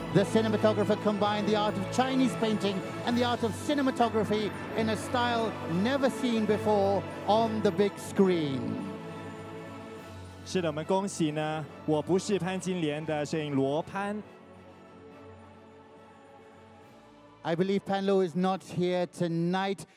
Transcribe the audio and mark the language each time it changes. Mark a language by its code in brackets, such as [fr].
[en] The cinematographer combined the art of Chinese painting and the art of cinematography in a style never seen before on the big screen. [zh] 是的,我们恭喜呢,我不是潘金莲的摄影罗潘。 [en] I believe Pan Lo is not here tonight.